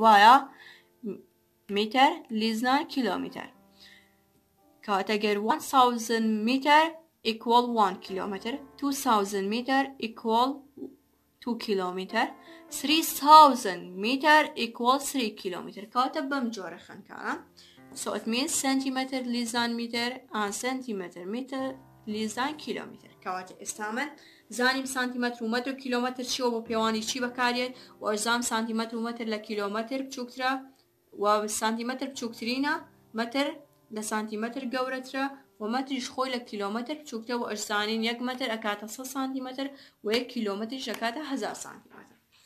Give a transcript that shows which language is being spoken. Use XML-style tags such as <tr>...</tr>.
<en>وایە meter less than kilometer. کەواتە ئەگەر 1000 meter equal 1 kilometer. 2000 meter equal 2 kilometer. 3000 meter equal 3 kilometer.</en> <ckb>کاتە بەم جۆرە خوێندکارە.</ckb> <en>So it means centimeter less than meter and centimeter meter less than kilometer.</en> <ckb>کاتە ئێستا من زانیم سانتیمەتر و مەتر و کیلۆمەتر چیوە، بۆ پێوانی چی بەکارێت، و ئەزانم سانتیمەتر و مەتر لە کیلۆمەتر بچووکترە، و سانتیمەتر بچووکترینە، مەتر لە سانتیمەتر گەورەترە، و مەتریش خۆی لە کیلۆمەتر بچووکترە، و ئەزانین 1 مەتر ئەکاتە 100 سانتیمەتر، و 1 کیلۆمەتریش ئەکاتە 1000 سانتیمەتر.</ckb>